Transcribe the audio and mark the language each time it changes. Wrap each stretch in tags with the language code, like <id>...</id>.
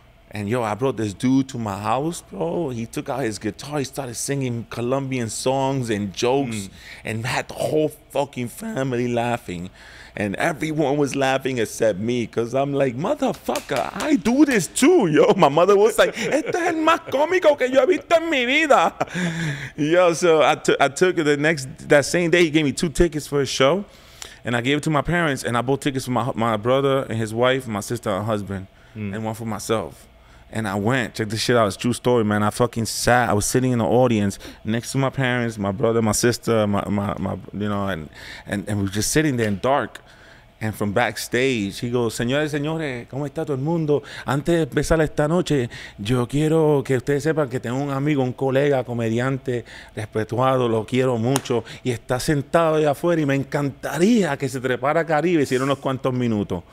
<en>And yo, I brought this dude to my house, bro. He took out his guitar. He started singing Colombian songs and jokes and had the whole fucking family laughing. And everyone was laughing except me, because I'm like, motherfucker, I do this too, yo. My mother was like,</en> <es>este es el más cómico que yo he visto en mi vida.</es> <en>Yo, so I took it that same day. He gave me 2 tickets for a show, and I gave it to my parents, and I bought tickets for my brother and his wife, my sister and husband, and one for myself. And I went, check this shit out, it's a true story, man. I fucking sat, I was sitting in the audience next to my parents, my brother, my sister, my you know, and we were just sitting there in dark. And from backstage, he goes,</en> <es>señores, señores, ¿cómo está todo el mundo? Antes de empezar esta noche, yo quiero que ustedes sepan que tengo un amigo, un colega, comediante, respetuado, lo quiero mucho, y está sentado allá afuera, y me encantaría que se trepara a Caribe, si era unos cuantos minutos.</es>